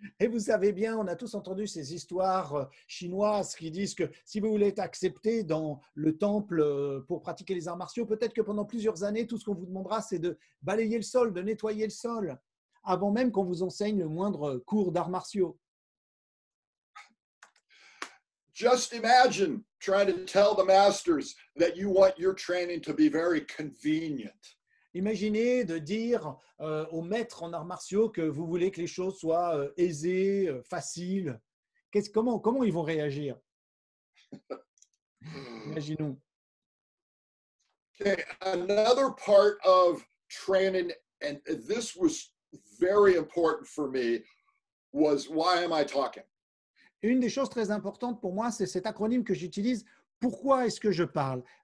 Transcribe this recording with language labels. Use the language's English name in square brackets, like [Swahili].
[French] Et vous savez bien, on a tous entendu ces histoires chinoises qui disent que si vous voulez être accepté dans le temple pour pratiquer les arts martiaux, peut-être que pendant plusieurs années, tout ce qu'on vous demandera, c'est de balayer le sol, de nettoyer le sol, avant même qu'on vous enseigne le moindre cours d'arts martiaux. [English] Just imagine trying to tell the masters that you want your training to be very convenient. [French] Imaginez de dire aux maîtres en arts martiaux que vous voulez que les choses soient aisées, faciles. Comment ils vont réagir? Imaginons. [English] Okay, another part of training, and this was very important for me, was why am I talking? [French] Une des choses très importantes pour moi, c'est cet acronyme que j'utilise. Pourquoi est-ce que je parle?